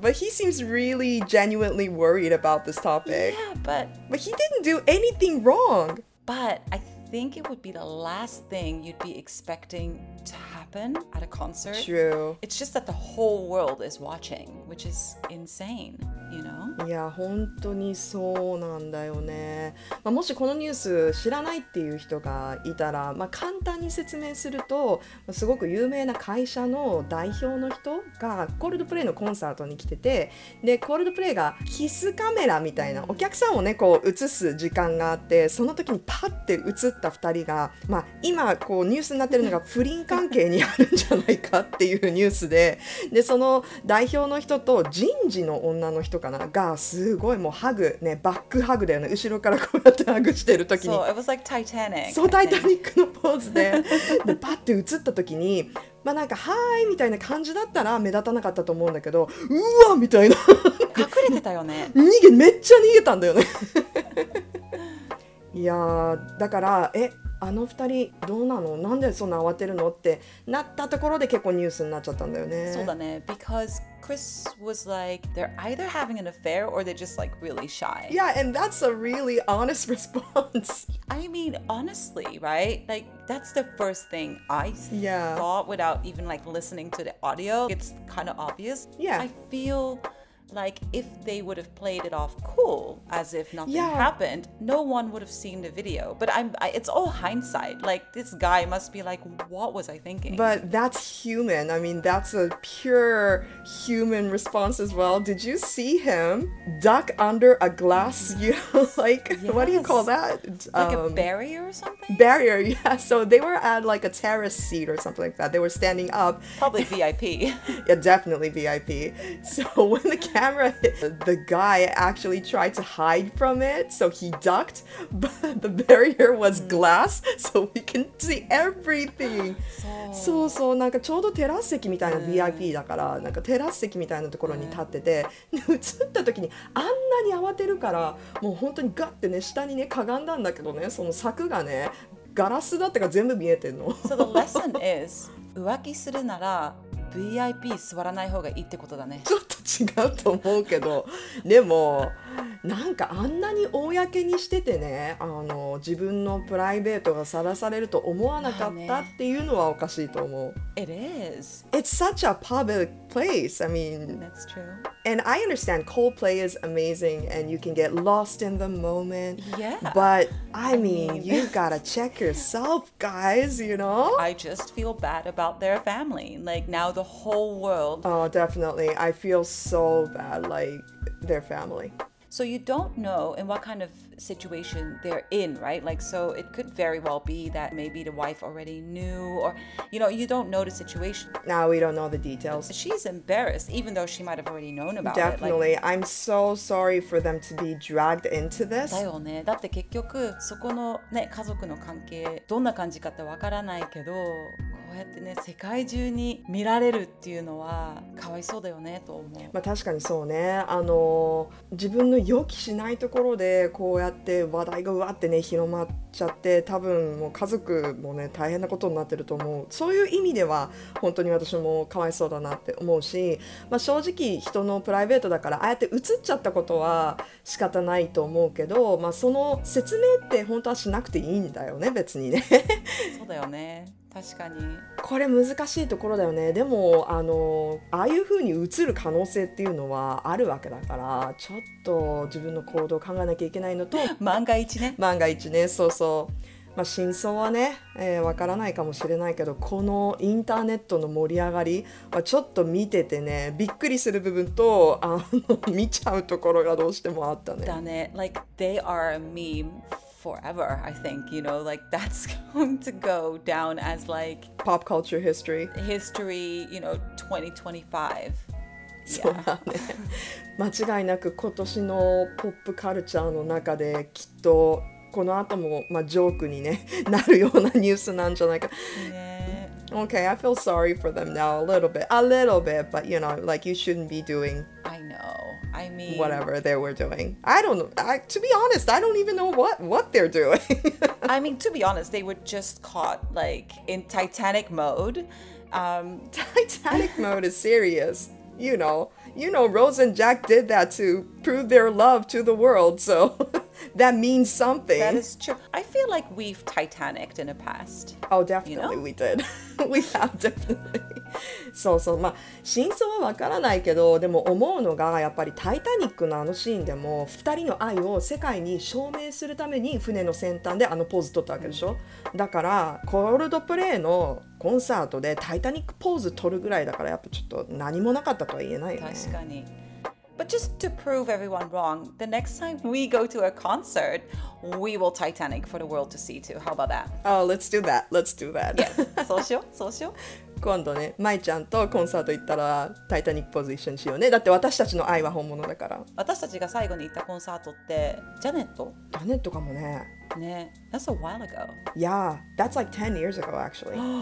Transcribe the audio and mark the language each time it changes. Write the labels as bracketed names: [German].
[English] But he seems really genuinely worried about this topic. Yeah, but... But he didn't do anything wrong. But I think it would be the last thing you'd be expecting to happen at a concert. True. It's just that the whole world is watching, which is insane, you know? [Japanese] Yeah, 本当にそうなんだよね。まあ、もしこのニュース知らないっていう人がいたら、まあ、簡単に説明すると、すごく有名な会社の代表の人がコールドプレイのコンサートに来てて、で、コールドプレイがキスカメラみたいな、お客さんをね、こう映す時間があって、その時にパッて映った2人が、まあ、今こうニュースになってるのが不倫関係にあるんじゃないかっていうニュースで、でその代表の人と人事の女の人かながすごいもうハグ、ね、バックハグだよね、後ろからこうやってハグしてる時に、 [English] so, it was like Titanic, [Japanese] そうタイタニックのポーズ でパッて映った時に、まあ、なんかはいみたいな感じだったら目立たなかったと思うんだけど、うわみたいな隠れてたよね、逃げめっちゃ逃げたんだよねいやだから、え、あの二人どうなの、なんでそんな慌てるのってなったところで結構ニュースになっちゃったんだよね。そうだね、 [English] because Chris was like they're either having an affair or they're just like really shy. Yeah, and that's a really honest response. I mean, honestly, right? Like that's the first thing I thought without even like listening to the audio. It's kind of obvious. Yeah, I feel like if they would have played it off cool as if nothing happened, no one would have seen the video. But it's all hindsight. Like this guy must be like, what was I thinking? But that's human. I mean, that's a pure human response as well. Did you see him duck under a glass? You like, what do you call that? Like a barrier or something? Barrier, yeah. So they were at like a terrace seat or something like that. They were standing up. Probably VIP. Yeah, definitely VIP. So when the camera hit, the guy actually tried to hide from it, so he ducked, but the barrier was glass, so we can see everything. [Japanese] そうそう、なんかちょうどテラス席みたいな VIP だから、なんかテラス席みたいなところに立ってて、映った時にあんなに慌てるから、もう本当にガッてね、下にね、かがんだんだけどね、その柵がね、ガラスだったから全部見えてんの。 [English] So the lesson is, [Japanese] 浮気するなら、VIP 座らない方がいいってことだね。ちょっと違うと思うけどでもなんかあんなに公にしててね、あの自分のプライベートがさらされると思わなかったっていうのはおかしいと思う。 [English] It is. It's such a public place. I mean, that's true. And I understand Coldplay is amazing and you can get lost in the moment. Yeah. But I mean, you gotta check yourself, guys, you know? I just feel bad about their family. Like now the whole world. Oh, definitely. I feel so bad, like their family. So you don't know in what kind of situation they're in, right? Like, so it could very well be that maybe the wife already knew, or, you know, you don't know the situation. No, we don't know the details. She's embarrassed, even though she might have already known about Definitely. It. Definitely. Like, I'm so sorry for them to be dragged into this. [Japanese] だよね。だって結局、そこのね、家族の関係、どんな感じかってわからないけど、こうやってね、世界中に見られるっていうのはかわいそうだよねと思う。まあ確かにそうね、あの自分の予期しないところでこうやって話題がうわってね広まっちゃって、多分もう家族もね大変なことになってると思う。そういう意味では本当に私もかわいそうだなって思うし、まあ、正直人のプライベートだからああやって映っちゃったことは仕方ないと思うけど、まあ、その説明って本当はしなくていいんだよね別にねそうだよね、確かにこれ難しいところだよね。でもあのああいう風に映る可能性っていうのはあるわけだから、ちょっと自分の行動を考えなきゃいけないのと万が一ね、万が一ね、そうそう、まあ、真相はね、分からないかもしれないけど、このインターネットの盛り上がりはちょっと見ててね、びっくりする部分と、あの見ちゃうところがどうしてもあったね。だね、 [English] like they are a meme forever, I think, you know, like that's going to go down as like pop culture history. History, you know, 2025. [Japanese] Yeah. 間違いなく今年のポップカルチャーの中できっとこの後も、まあ、ジョークに、ね、なるようなニュースなんじゃないか。 [English] Yeah. Okay, I feel sorry for them now a little bit, but you know, like you shouldn't be doing. I know. I mean, whatever they were doing. I don't know. To be honest, I don't even know what they're doing. I mean, to be honest, they were just caught like in Titanic mode. Titanic mode is serious. You know, Rose and Jack did that to prove their love to the world. So. That means something. That is true. I feel like we've Titanic'd in the past. Oh, definitely, you know? We did. We have definitely. [Japanese] そうそう、まあ真相はわからないけど、でも思うのがやっぱりタイタニックのあのシーンでも2人の愛を世界に証明するために船の先端であのポーズ取ったわけでしょ。だからコールドプレイのコンサートでタイタニックポーズ取るぐらいだから、やっぱちょっと何もなかったとは言えないよね。確かに。 [English] But just to prove everyone wrong, the next time we go to a concert, we will Titanic for the world to see too. How about that? Oh, let's do that. Let's do that. [Japanese] Yes. そうしよう。そうしよう。今度ね、舞ちゃんとコンサート行ったら、タイタニックポーズ一緒にしようね。だって私たちの愛は本物だから。私たちが最後に行ったコンサートって、ジャネット？ジャネットかもね。 [English] ね。That's a while ago. Yeah. That's like 10 years ago, actually.